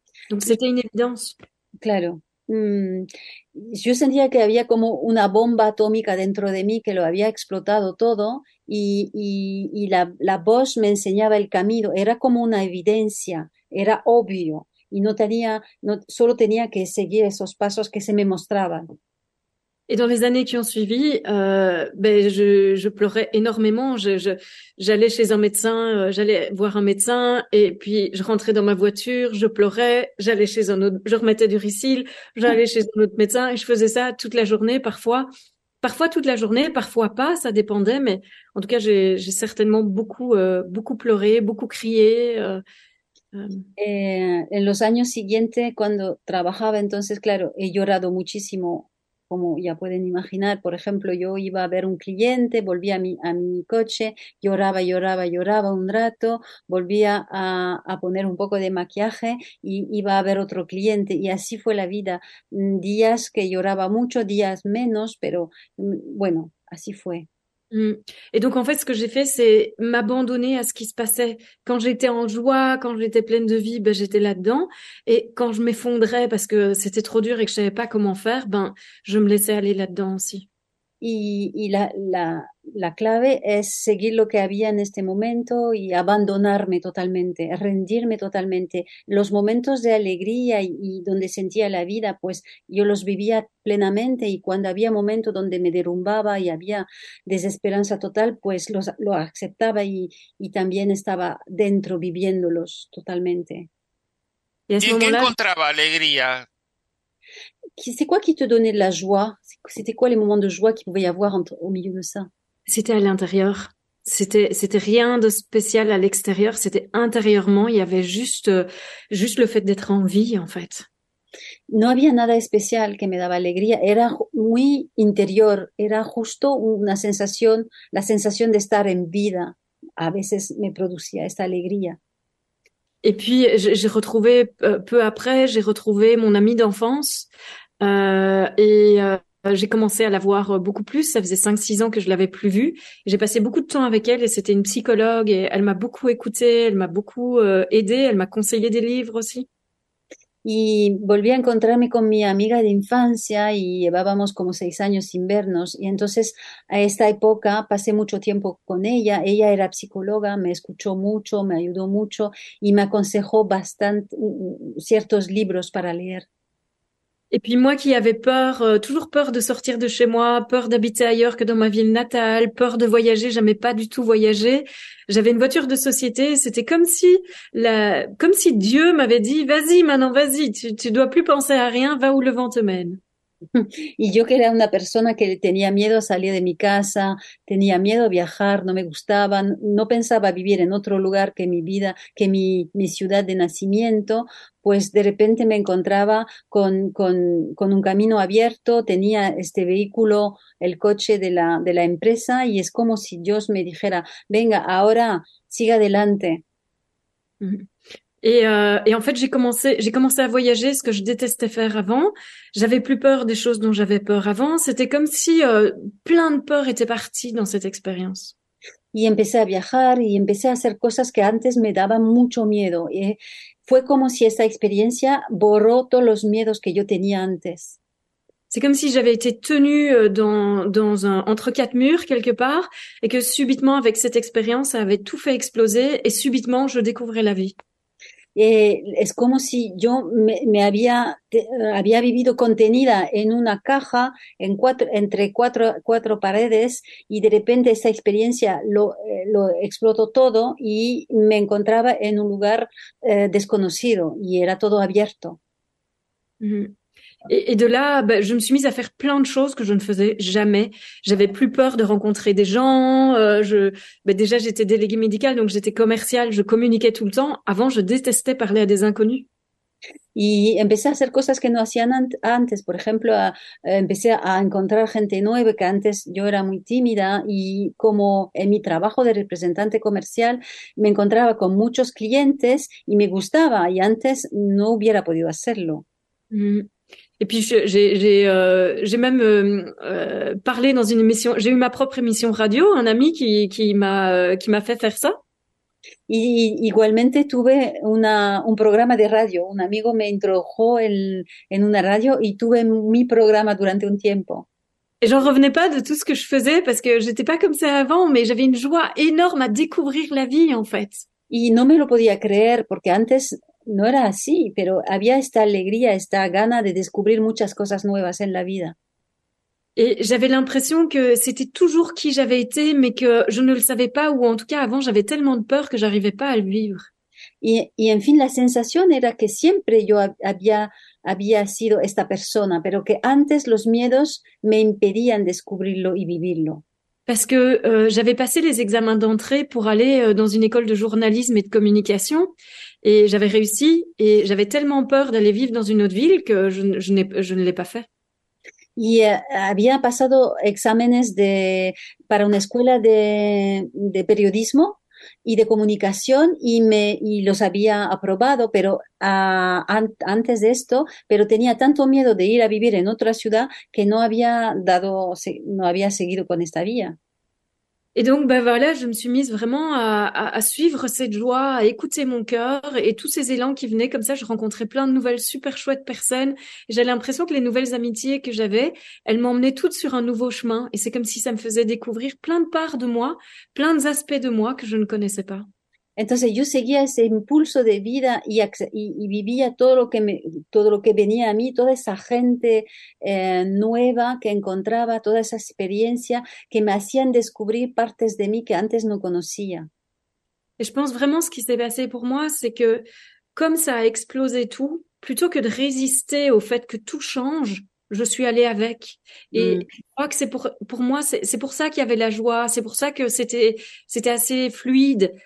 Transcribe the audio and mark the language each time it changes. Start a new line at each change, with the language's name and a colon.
French: Donc c'était une évidence.
Spanish: Claro. Yo sentía que había como una bomba atómica dentro de mí que lo había explotado todo y la voz me enseñaba el camino, era como una evidencia, era obvio. Y no tenía, no, solo tenía que seguir esos pasos que se me mostraban.
French: Et dans les années qui ont suivi, je pleurais énormément. J'allais chez un médecin, j'allais voir un médecin, et puis je rentrais dans ma voiture, je pleurais, j'allais chez un autre, je remettais du Ricil, j'allais chez un autre médecin, et je faisais ça toute la journée, parfois toute la journée, parfois pas, ça dépendait, mais en tout cas, j'ai certainement beaucoup, beaucoup pleuré, beaucoup crié.
Spanish: En los años siguientes, cuando trabajaba, entonces, claro, he llorado muchísimo, como ya pueden imaginar. Por ejemplo, yo iba a ver un cliente, volvía a mi coche, lloraba, lloraba, lloraba un rato, volvía a poner un poco de maquillaje y iba a ver otro cliente. Y así fue la vida. Días que lloraba mucho, días menos, pero bueno, así fue.
French: Et donc en fait ce que j'ai fait c'est m'abandonner à ce qui se passait. Quand j'étais en joie, quand j'étais pleine de vie, ben j'étais là-dedans, et quand je m'effondrais parce que c'était trop dur et que je savais pas comment faire, ben je me laissais aller là-dedans aussi.
Spanish: Y la clave es seguir lo que había en este momento y abandonarme totalmente, rendirme totalmente. Los momentos de alegría y donde sentía la vida, pues yo los vivía plenamente, y cuando había momentos donde me derrumbaba y había desesperanza total, pues lo aceptaba y también estaba dentro viviéndolos totalmente. Y a ese en qué momento, encontraba alegría?
French: c'est quoi qui te donnait de la joie? C'était quoi les moments de joie qu'il pouvait y avoir au milieu de ça? C'était à l'intérieur. C'était rien de spécial à l'extérieur. C'était intérieurement. Il y avait juste le fait d'être en vie, en fait.
Spanish: No había nada especial que me daba alegría. Era muy interior. Era justo una sensación, la sensación de estar en vida. A veces me producía esta alegría.
French: Et puis j'ai retrouvé peu après, j'ai retrouvé mon amie d'enfance et j'ai commencé à la voir beaucoup plus. Ça faisait 5-6 ans que je l'avais plus vue. J'ai passé beaucoup de temps avec elle et c'était une psychologue et elle m'a beaucoup écoutée, elle m'a beaucoup aidée, elle m'a conseillé des livres aussi.
Spanish: Y volví a encontrarme con mi amiga de infancia y llevábamos como 6 años sin vernos. Y entonces a esta época pasé mucho tiempo con ella. Ella era psicóloga, me escuchó mucho, me ayudó mucho y me aconsejó bastante ciertos libros para leer.
French: Et puis moi qui avais peur, toujours peur de sortir de chez moi, peur d'habiter ailleurs que dans ma ville natale, peur de voyager, j'aimais pas du tout voyager. J'avais une voiture de société, c'était comme si Dieu m'avait dit, vas-y maintenant, vas-y, tu dois plus penser à rien, va où le vent te mène.
Spanish: Y yo que era una persona que tenía miedo a salir de mi casa, tenía miedo a viajar, no me gustaba, no pensaba vivir en otro lugar que mi vida, que mi ciudad de nacimiento, pues de repente me encontraba con un camino abierto, tenía este vehículo, el coche de la empresa, y es como si Dios me dijera, venga, ahora siga adelante.
French: Et en fait, j'ai commencé à voyager, ce que je détestais faire avant. J'avais plus peur des choses dont j'avais peur avant. C'était comme si plein de peurs étaient parties dans cette expérience.
Spanish: Y empecé a viajar y empecé a hacer cosas que antes me daban mucho miedo. Y fue como si esta experiencia borró todos los miedos que yo tenía antes.
French: C'est comme si j'avais été tenue entre quatre murs quelque part, et que subitement, avec cette expérience, ça avait tout fait exploser, et subitement, je découvrais la vie.
Spanish: Es como si yo me había vivido contenida en una caja entre cuatro paredes, y de repente esa experiencia lo explotó todo y me encontraba en un lugar desconocido y era todo abierto.
French: Et de là, bah, je me suis mise à faire plein de choses que je ne faisais jamais. J'avais plus peur de rencontrer des gens. Déjà, j'étais déléguée médicale, donc j'étais commerciale. Je communiquais tout le temps. Avant, je détestais parler à des inconnus.
Spanish: Y empecé a hacer cosas que no hacían antes, por ejemplo, empecé a encontrar gente nueva, que antes yo era muy tímida, y como en mi trabajo de representante comercial me encontraba con muchos clientes y me gustaba, y antes no hubiera podido hacerlo.
French: Et puis j'ai même parlé dans une émission. J'ai eu ma propre émission radio. Un ami qui m'a fait faire ça.
Spanish: Y igualmente tuve un programa de radio. Un amigo me introdujo en una radio y tuve mi programa durante un tiempo.
French: Et j'en revenais pas de tout ce que je faisais parce que j'étais pas comme ça avant, mais j'avais une joie énorme à découvrir la vie en fait.
Spanish: Y no me lo podía creer porque antes no era así, pero había esta alegría, esta gana de descubrir muchas cosas nuevas en la vida.
French: Et j'avais l'impression que c'était toujours qui j'avais été, mais que je ne le savais pas, ou en tout cas avant, j'avais tellement de peur que j'arrivais pas à le vivre.
Spanish: Y en fin, la sensación era que siempre yo había sido esta persona, pero que antes los miedos me impedían descubrirlo y vivirlo.
French: Parce que j'avais passé les examens d'entrée pour aller dans une école de journalisme et de communication, et j'avais réussi, et j'avais tellement peur d'aller vivre dans une autre ville que je ne l'ai pas fait.
Spanish: Y había pasado exámenes para una escuela de periodismo y de comunicación y los había aprobado, pero antes de esto, pero tenía tanto miedo de ir a vivir en otra ciudad que no había seguido con esta vía.
French: Et donc, ben voilà, je me suis mise vraiment à suivre cette joie, à écouter mon cœur et tous ces élans qui venaient. Comme ça, je rencontrais plein de nouvelles super chouettes personnes. J'avais l'impression que les nouvelles amitiés que j'avais, elles m'emmenaient toutes sur un nouveau chemin. Et c'est comme si ça me faisait découvrir plein de parts de moi, plein d'aspects de moi que je ne connaissais pas.
Spanish: Entonces yo seguía ese impulso de vida y vivía todo lo que venía a mí, toda esa gente nueva que encontraba, toda esa experiencia que me hacían descubrir partes de mí que antes no conocía.
French: Et je pense vraiment ce qui s'est passé pour moi, c'est que comme ça a explosé tout, plutôt que de résister au fait que tout change, je suis allée avec. Et je crois que c'est pour moi, c'est pour ça qu'il y avait la joie, c'est pour ça que c'était assez fluide.